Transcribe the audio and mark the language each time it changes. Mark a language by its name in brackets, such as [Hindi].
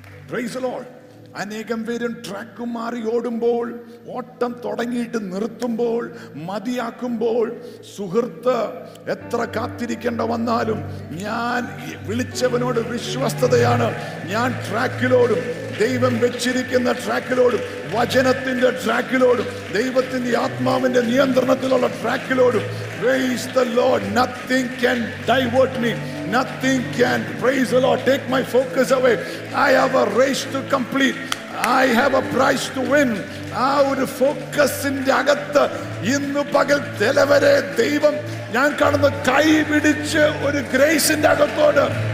[English] Praise the lord. [Malayalam] അനേകം പേരും track മാറി ഓടുമ്പോൾ, ഓട്ടം തുടങ്ങിയിട്ട് നിർത്തുമ്പോൾ, മതിയാക്കുമ്പോൾ, സുഹൃത്ത് എത്ര കാത്തിരിക്കേണ്ട വന്നാലും, ഞാൻ വിളിച്ചവനോട് വിശ്വസ്തതയാണ്, ഞാൻ ട്രാക്കിലോടും, ദൈവം വെച്ചിരിക്കുന്ന ട്രാക്കിലോടും, വചനത്തിന്റെ ട്രാക്കിലോടും, ദൈവത്തിന്റെ ആത്മാവിന്റെ നിയന്ത്രണത്തിലുള്ള ട്രാക്കിലോടും. [English] Praise the Lord. Nothing can divert me. Nothing can, praise the Lord, take my focus away. I have a race to complete. I have a prize to win. [Malayalam] ആ ഒരു ഫോക്കസിന്റെ അകത്ത് ഇന്ന് പകൽ തലവരെ ദൈവം ഞാൻ കാണുന്ന കൈപിടിച്ച് ഒരു ഗ്രേസിന്റെ അകത്തോട്.